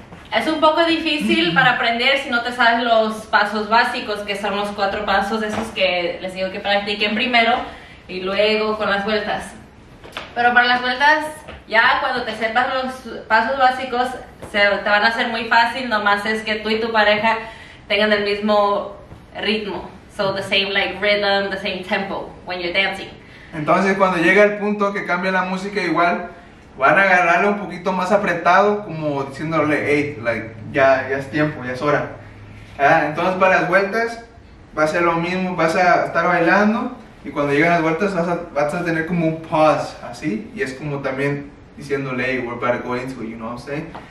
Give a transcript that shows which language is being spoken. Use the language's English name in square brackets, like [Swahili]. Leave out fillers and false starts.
[Spanish] Es un poco difícil para aprender si no te sabes los pasos básicos, que son los cuatro pasos esos que les digo que practiquen primero y luego con las vueltas. Pero para las vueltas, ya cuando te sepas los pasos básicos, te van a hacer muy fácil, nomás es que tú y tu pareja tengan el mismo ritmo. [English] So the same like rhythm, the same tempo when you're dancing. [Spanish] Entonces cuando llega el punto que cambia la música igual, van a agarrarle un poquito más apretado, como diciéndole, [English] hey, like, [Spanish] ya es tiempo, ya es hora. ¿Ah? Entonces para las vueltas, va a ser lo mismo, vas a estar bailando, y cuando llegan las vueltas vas a tener como un pause, así, y es como también diciéndole, [English] hey, we're about to go into, you know what I'm saying?